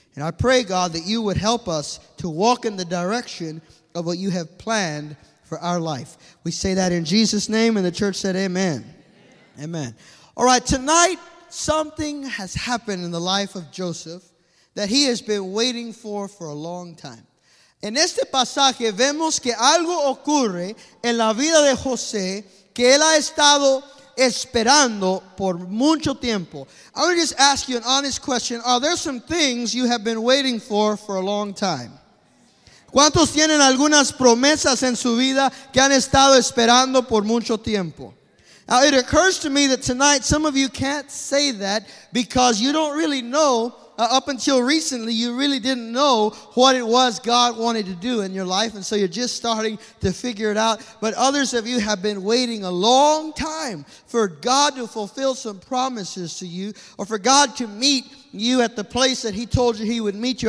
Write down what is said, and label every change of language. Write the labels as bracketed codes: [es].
[en] And I pray, God, that you would help us to walk in the direction of what you have planned for our life. We say that in Jesus' name, and the church said amen. Amen. Amen. All right, tonight something has happened in the life of Joseph that he has been waiting for a long time. [es] En este pasaje vemos que algo ocurre en la vida de José que él ha estado esperando por mucho tiempo. [en] I want to just ask you an honest question. Are there some things you have been waiting for a long time? [es] ¿Cuántos tienen algunas promesas en su vida que han estado esperando por mucho tiempo? [en] Now, it occurs to me that tonight some of you can't say that because you don't really know. Up until recently, you really didn't know what it was God wanted to do in your life, and so you're just starting to figure it out. But others of you have been waiting a long time for God to fulfill some promises to you, or for God to meet you at the place that he told you he would meet you.